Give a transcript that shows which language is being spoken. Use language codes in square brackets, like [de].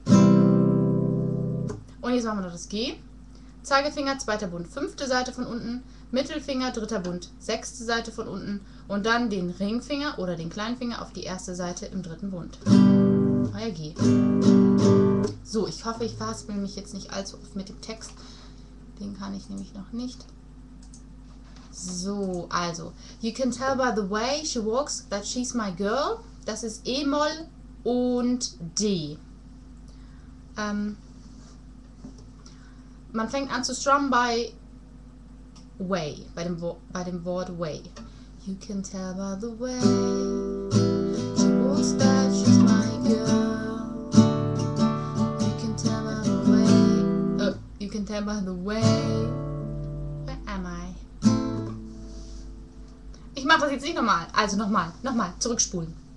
[de] Und jetzt machen wir noch das G. Zeigefinger, zweiter Bund, fünfte Seite von unten, Mittelfinger, dritter Bund, sechste Seite von unten und dann den Ringfinger oder den kleinen Finger auf die erste Seite im dritten Bund. Euer G. So, ich hoffe, ich verhaspel mich jetzt nicht allzu oft mit dem Text. Den kann ich nämlich noch nicht. So, also, [en] you can tell by the way she walks that she's my girl. [de] Das ist E-Moll und D. Man fängt an zu strummen bei way, bei dem Wort way. [en] You can tell by the way she walks that she's my girl. You can tell by the way. You can tell by the way. [de] Ich mach das jetzt nicht nochmal. Also nochmal, zurückspulen.